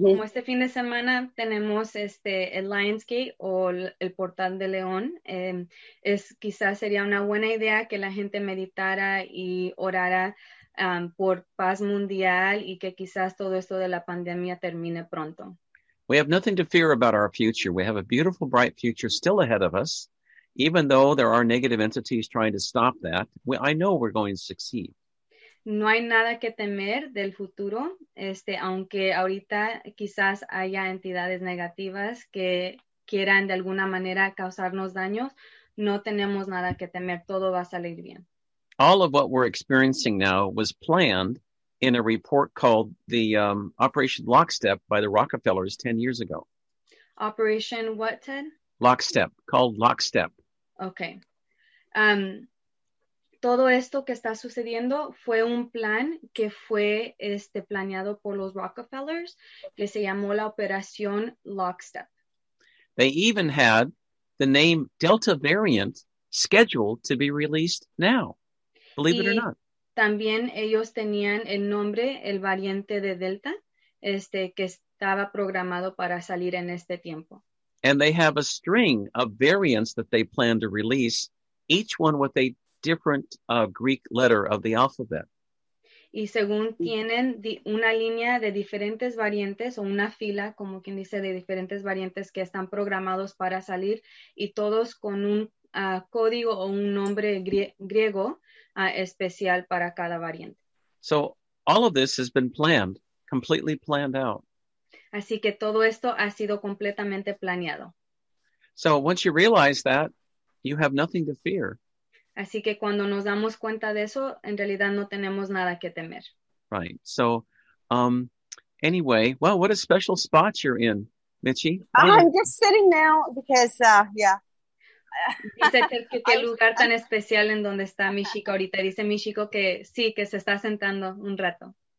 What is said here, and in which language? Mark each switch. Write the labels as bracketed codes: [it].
[es] Como este fin de semana tenemos el Lionsgate o el Portal de León, quizás sería una buena idea que la gente meditara y orara por paz mundial y que quizás todo esto de la pandemia termine pronto. [en] We have nothing to fear about our future. We have a beautiful, bright future still ahead of us, even though there are negative entities trying to stop that. I know we're going to succeed. [es] No hay nada que temer del futuro, aunque ahorita quizás haya entidades negativas que quieran de alguna manera causarnos daños, no tenemos nada que temer, todo va a salir bien. [en] All of what we're experiencing now was planned in a report called the Operation Lockstep by the Rockefellers 10 years ago. Operation what, Ted? Lockstep, called Lockstep. Okay. [es] Todo esto que está sucediendo fue un plan que fue planeado por los Rockefellers, que se llamó la Operación Lockstep. [en] They even had the name Delta variant scheduled to be released now, believe it or not. [es] También ellos tenían el nombre, el variante de Delta, que estaba programado para salir en este tiempo. [en] And they have a string of variants that they plan to release, each one with a different Greek letter of the alphabet. [es] Y según tienen una línea de diferentes variantes o una fila, como quien dice, de diferentes variantes que están programados para salir y todos con un código o un nombre griego especial para cada variante. [en] So all of this has been planned, completely planned out. [es] Así que todo esto ha sido completamente planeado. [en] So once you realize that, you have nothing to fear. [es] Así que cuando nos damos cuenta de eso, en realidad no tenemos nada que temer. [en] Right. So, anyway, well, what a special spot you're in, Michi. I'm just sitting now because, yeah. [es] Dice que lugar tan especial en donde está mi chico ahorita. Dice mi chico que sí, que se está sentando un rato.